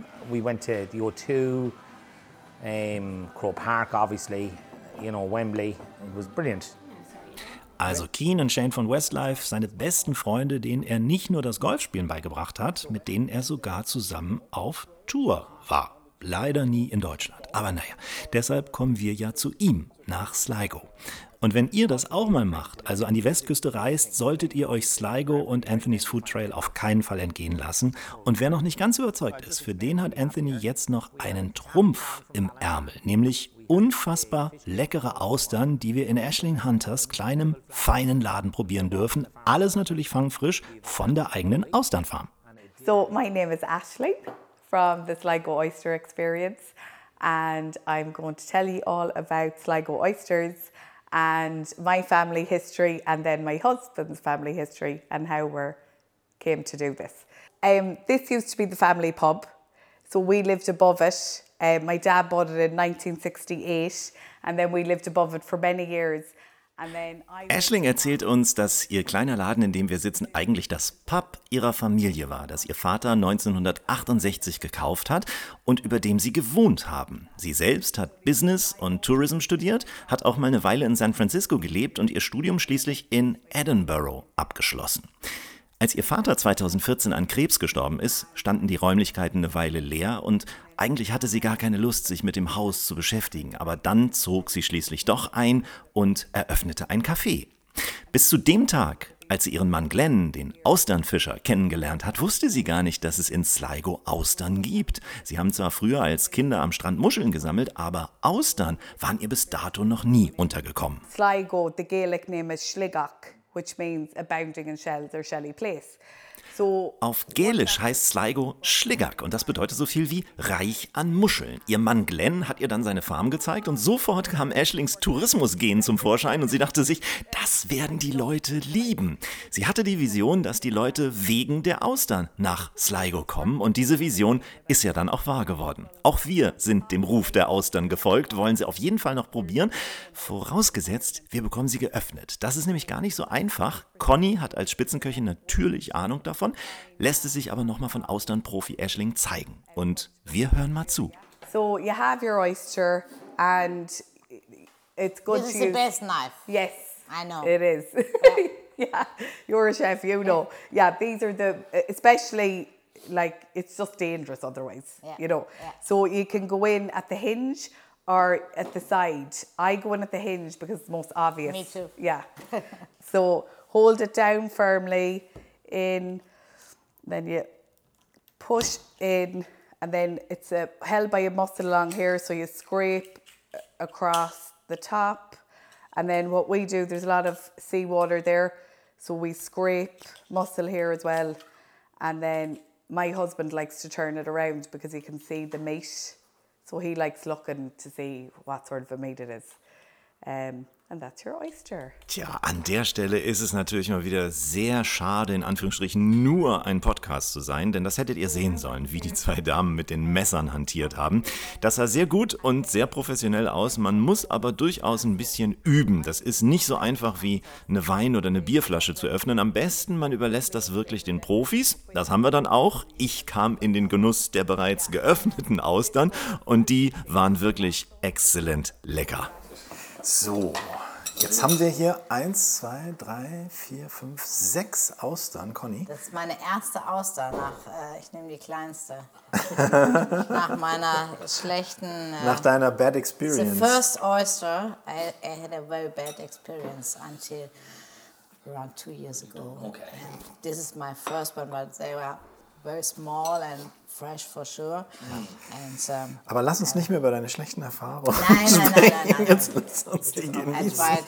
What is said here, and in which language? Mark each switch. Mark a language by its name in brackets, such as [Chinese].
[English] We went to the O2, Crow Park, obviously, you know, Wembley. It was brilliant. [German] Also Keane und Shane von Westlife, seine besten Freunde, denen er nicht nur das Golfspielen beigebracht hat, mit denen er sogar zusammen auf Tour war. Leider nie in Deutschland. Aber naja, deshalb kommen wir ja zu ihm, nach Sligo. Und wenn ihr das auch mal macht, also an die Westküste reist, solltet ihr euch Sligo und Anthony's Food Trail auf keinen Fall entgehen lassen. Und wer noch nicht ganz überzeugt ist, für den hat Anthony jetzt noch einen Trumpf im Ärmel, nämlich unfassbar leckere Austern, die wir in Aisling Hunters kleinem, feinen Laden probieren dürfen. Alles natürlich fangfrisch von der eigenen Austernfarm. [English] So, my name is Aisling from the Sligo Oyster Experience. And I'm going to tell you all about Sligo oysters and my family history and then my husband's family history and how we came to do this. This used to be the family pub, so we lived above it. My dad bought it in 1968 and then we lived above it for many years. [German] Aisling erzählt uns, dass ihr kleiner Laden, in dem wir sitzen, eigentlich das Pub ihrer Familie war, das ihr Vater 1968 gekauft hat und über dem sie gewohnt haben. Sie selbst hat Business und Tourism studiert, hat auch mal eine Weile in San Francisco gelebt und ihr Studium schließlich in Edinburgh abgeschlossen. Als ihr Vater 2014 an Krebs gestorben ist, standen die Räumlichkeiten eine Weile leer und eigentlich hatte sie gar keine Lust, sich mit dem Haus zu beschäftigen. Aber dann zog sie schließlich doch ein und eröffnete ein Café. Bis zu dem Tag, als sie ihren Mann Glenn, den Austernfischer, kennengelernt hat, wusste sie gar nicht, dass es in Sligo Austern gibt. Sie haben zwar früher als Kinder am Strand Muscheln gesammelt, aber Austern waren ihr bis dato noch nie untergekommen. [English] Sligo, the Gaelic name is Sligach, which means abounding in shells or shelly place. [German] So, auf Gälisch heißt Sligo Schliggack und das bedeutet so viel wie reich an Muscheln. Ihr Mann Glenn hat ihr dann seine Farm gezeigt und sofort kam Aislings Tourismusgen zum Vorschein und sie dachte sich, das werden die Leute lieben. Sie hatte die Vision, dass die Leute wegen der Austern nach Sligo kommen und diese Vision ist ja dann auch wahr geworden. Auch wir sind dem Ruf der Austern gefolgt, wollen sie auf jeden Fall noch probieren, vorausgesetzt, wir bekommen sie geöffnet. Das ist nämlich gar nicht so einfach. Conny hat als Spitzenköchin natürlich Ahnung davon. Davon, lässt es sich aber nochmal von Austern-Profi Aisling zeigen. Und wir hören mal zu. [English] So, you have your oyster and it's good this to is use... the best knife. Yes. I know. It is. Yeah. Yeah. You're a chef, you know. Yeah, these are the... Especially, like, it's just dangerous otherwise, yeah. You know. Yeah. So you can go in at the hinge or at the side. I go in at the hinge because it's most obvious. Me too. Yeah. So hold it down firmly... in, then you push in, and then it's held by a muscle along here, so you scrape across the top, and then what we do, there's a lot of seawater there, so we scrape muscle here as well, and then my husband likes to turn it around because he can see the meat, so he likes looking to see what sort of a meat it is. And that's your oyster. [German] Tja, an der Stelle ist es natürlich mal wieder sehr schade, in Anführungsstrichen nur ein Podcast zu sein, denn das hättet ihr sehen sollen, wie die zwei Damen mit den Messern hantiert haben. Das sah sehr gut und sehr professionell aus, man muss aber durchaus ein bisschen üben. Das ist nicht so einfach wie eine Wein- oder eine Bierflasche zu öffnen. Am besten, man überlässt das wirklich den Profis. Das haben wir dann auch. Ich kam in den Genuss der bereits geöffneten Austern und die waren wirklich exzellent lecker. So, jetzt haben wir hier 1, 2, 3, 4, 5, 6 Austern, Conny. Das ist meine erste Auster nach, ich nehme die kleinste. Nach meiner schlechten... Nach deiner [English] bad experience. The first oyster, I had a very bad experience until around 2 years ago. Okay. And this is my first one, but they were very small and... Fresh for sure. [German] Ja. And, aber lass uns nicht mehr über deine schlechten Erfahrungen sprechen. Jetzt lass uns die genießen.